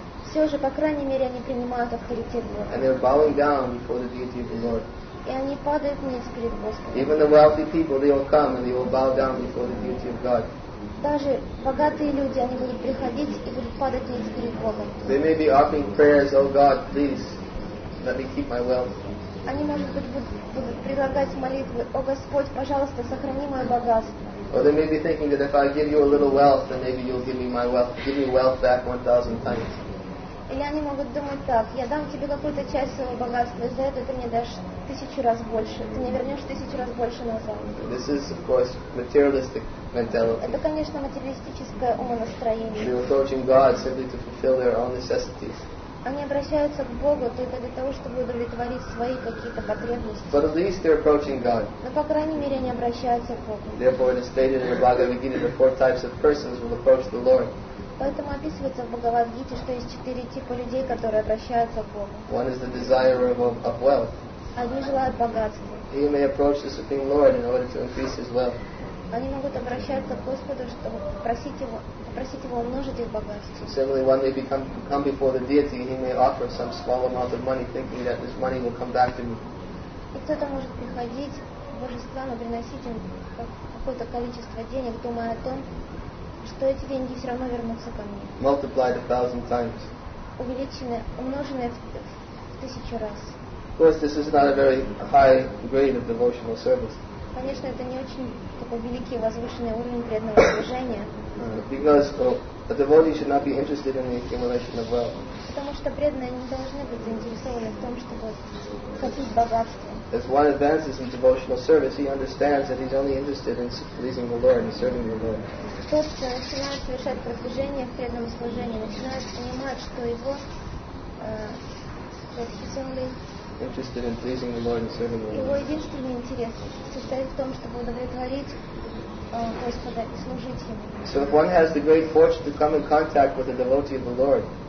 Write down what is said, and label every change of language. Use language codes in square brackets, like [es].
[ru] Все же, по крайней мере, они принимают авторитет Бога. [en] And they're bowing down before the deity of the Lord. [ru] И они падают ниц перед Господом. [en] Even the wealthy people, they will come and they will bow down before the deity of God. [ru] Даже богатые люди, они будут приходить и будут падать ниц перед Богом. [en] They may be offering prayers, oh God, please, let me keep my wealth. [ru] Они, может быть, будут предлагать молитвы, о Господь, пожалуйста, сохрани мое богатство. [en] Or they may be thinking that if I give you a little wealth, then maybe you'll give me my wealth, give me wealth back 1,000 times. [ru] Или они могут думать так: я дам тебе какую-то часть своего богатства, и за это ты мне дашь тысячу раз больше, ты мне вернешь тысячу раз больше назад. [en] This is, of course, materialistic mentality. [ru] Это, конечно, материалистическое умонастроение. [en] They're approaching God simply to fulfill their own necessities. [ru] Они обращаются к Богу только для того, чтобы удовлетворить свои какие-то потребности. [en] But at least they're approaching God. [ru] Но, по крайней мере, они обращаются к Богу. [en] Therefore, it is stated in the Bhagavad Gita that four types of persons will approach the Lord. [ru] Поэтому описывается в Бхагавад Гите, что есть четыре типа людей, которые обращаются к Богу. [en] One is the desirer of wealth. [ru] Одни желают богатства. [en] He may approach the Supreme Lord in order to increase his wealth. [ru] они могут обращаться к Господу, чтобы попросить его умножить их богатство. [en] Similarly, one may come before the deity, and he may offer some small amount of money, thinking that this money will come back to me. [ru] И кто-то может приходить к божествам и приносить им какое-то количество денег, думая о том, что эти деньги все равно вернутся ко мне. [en] Multiplied a thousand times. [ru] Увеличенное, умноженное в тысячу раз. [en] Of course, this is not a very high grade of devotional service. [ru] Конечно, это не очень такой великий возвышенный уровень преданного служения. [en] Because a devotee should not be interested in the accumulation of wealth. [ru] Потому что преданные не должны быть заинтересованы в том, чтобы копить богатство. [en] As one advances in devotional service, he understands that he's only interested in pleasing the Lord and serving the Lord. [ru] Тот, кто начинает совершать продвижение в преданном служении, начинает понимать, что его [en] interested in pleasing the Lord and serving the Lord. [ru] Его единственный интерес состоит в том, чтобы удовлетворить Господа и служить Ему. [en] So if one has the great fortune to come in contact with a devotee of the Lord,